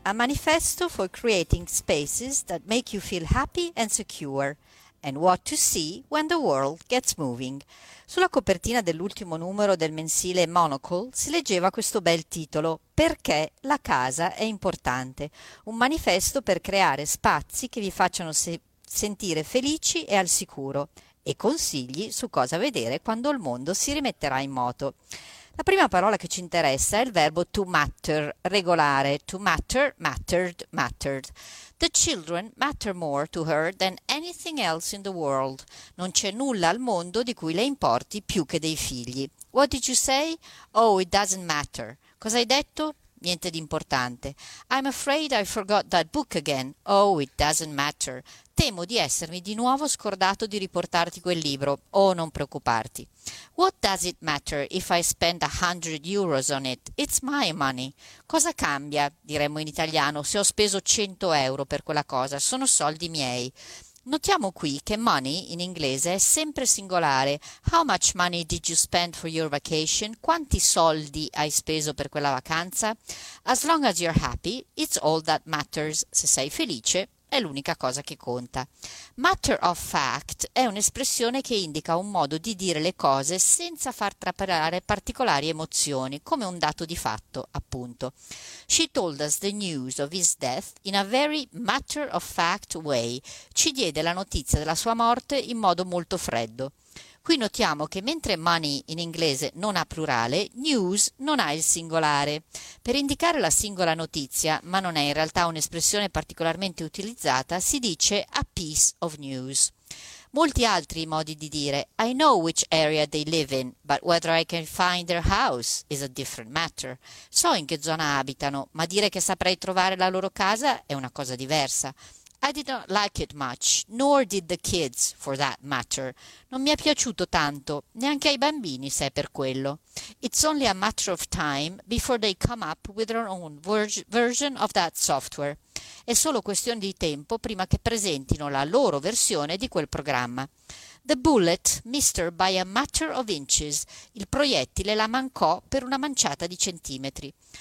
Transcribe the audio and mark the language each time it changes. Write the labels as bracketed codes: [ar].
[en] A manifesto for creating spaces that make you feel happy and secure. And what to see when the world gets moving. [it] Sulla copertina dell'ultimo numero del mensile Monocle si leggeva questo bel titolo: Perché la casa è importante. Un manifesto per creare spazi che vi facciano sentire felici e al sicuro. E consigli su cosa vedere quando il mondo si rimetterà in moto. La prima parola che ci interessa è il verbo to matter, regolare. [en] To matter, mattered, mattered. The children matter more to her than anything else in the world. [it] Non c'è nulla al mondo di cui le importi più che dei figli. [en] What did you say? Oh, it doesn't matter. [it] Cosa hai detto? Niente di importante. [en] I'm afraid I forgot that book again. Oh, it doesn't matter. [it] Temo di essermi di nuovo scordato di riportarti quel libro. Oh, non preoccuparti. [en] What does it matter if I spend 100 euros on it? It's my money. [it] Cosa cambia, diremmo in italiano, se ho speso 100 euro per quella cosa? Sono soldi miei. Notiamo qui che money in inglese è sempre singolare. [en] How much money did you spend for your vacation? [it] Quanti soldi hai speso per quella vacanza? [en] As long as you're happy, it's all that matters. [it] Se sei felice, è l'unica cosa che conta. Matter of fact è un'espressione che indica un modo di dire le cose senza far traparare particolari emozioni, come un dato di fatto, appunto. [en] She told us the news of his death in a very matter of fact way. [it] Ci diede la notizia della sua morte in modo molto freddo. Qui notiamo che mentre money in inglese non ha plurale, news non ha il singolare. Per indicare la singola notizia, ma non è in realtà un'espressione particolarmente utilizzata, si dice a piece of news. Molti altri modi di dire [en] I know which area they live in, but whether I can find their house is a different matter. [it] So in che zona abitano, ma dire che saprei trovare la loro casa è una cosa diversa. [en] I did not like it much, nor did the kids, for that matter. [it] Non mi è piaciuto tanto, neanche ai bambini, se è per quello. [en] It's only a matter of time before they come up with their own version of that software. [it] È solo questione di tempo prima che presentino la loro versione di quel programma. [en] The bullet missed by a matter of inches. [it] Il proiettile la mancò per una manciata di centimetri.